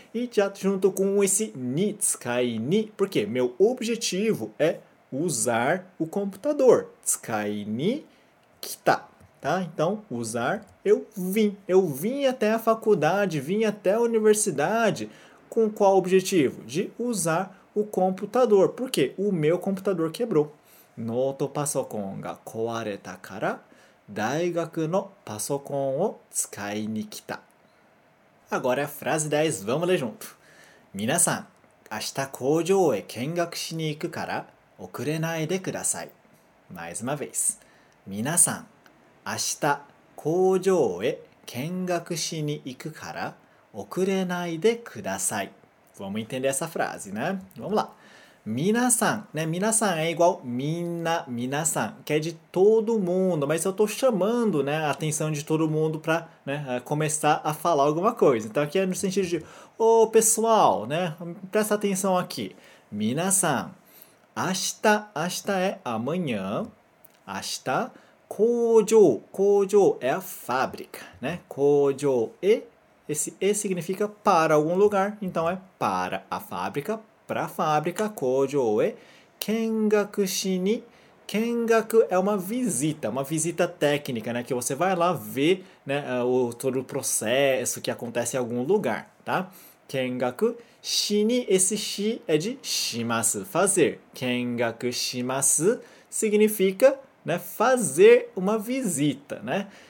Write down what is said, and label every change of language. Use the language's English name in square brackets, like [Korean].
[Portuguese] E já junto com esse ni, tsukai ni, porque meu objetivo é usar o computador. Tsukai ni kita, tá? Então, usar, eu vim até a faculdade, vim até a universidade, com qual objetivo? De usar o computador, porque o meu computador quebrou. [Japanese] Noto pasokon ga koareta kara, 大学のパソコンを使いに来た。 [Portuguese] Agora é a frase 10, vamos ler junto. [Japanese] 皆さん、明日工場へ見学しに行くから遅れないでください。 [Portuguese] Mais uma vez。 [Japanese] 皆さん、明日工場へ見学しに行くから遅れないでください。 [Portuguese] Vamos entender essa frase, né? Vamos lá. [Japanese] 皆さん、ね、皆さん [Portuguese] é igual みんな、皆さん、que é de todo mundo, mas eu estou chamando, né, a atenção de todo mundo para, né, começar a falar alguma coisa. Então aqui é no sentido de, ô, pessoal, né, presta atenção aqui. 皆さん、明日、明日 é amanhã, 明日、工場、工場 é a fábrica, né? 工場へ, esse significa para algum lugar, então é para a fábrica. Para a fábrica, [Japanese] 工場へ見学しに。 [Portuguese] 見学é uma visita técnica, né? Que você vai lá ver, né, todo o processo que acontece em algum lugar, tá? 見学しに、esse し é de します、fazer. 見学します significa, né, fazer uma visita, né?